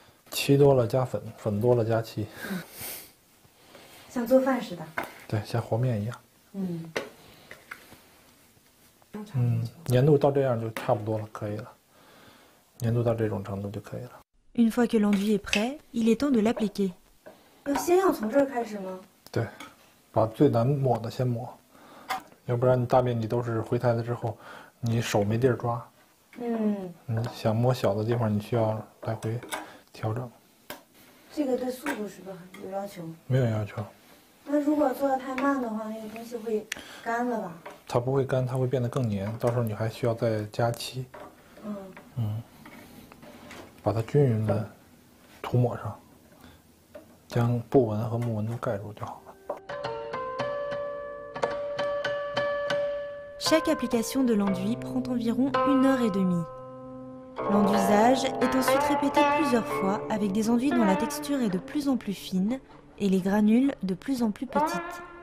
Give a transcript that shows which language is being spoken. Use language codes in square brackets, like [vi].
[zh] 漆多了加粉，粉多了加漆。嗯、像做饭似的。对，像和面一样。嗯。粘度到这样就差不多了，可以了。粘度到这种程度就可以了。 [fr] Une fois que l'enduit est prêt, il est temps de l'appliquer. [zh] 要先要从这儿开始吗？对，把最难抹的先抹，要不然你大面积都是灰胎的之后，你手没地儿抓。嗯。你想抹小的地方，你需要来回调整。这个对速度是不是有要求？没有要求。那如果做得太慢的话，那个东西会干了吧？它不会干，它会变得更粘，到时候你还需要再加漆。嗯。嗯。把它均匀的涂抹上，将布纹和木纹都盖住就好了。 [fr] Chaque application de l'enduit prend environ une heure et demie. L'enduisage est ensuite répété plusieurs fois avec des enduits dont la texture est de plus en plus fine. Et les granules de plus en plus petites.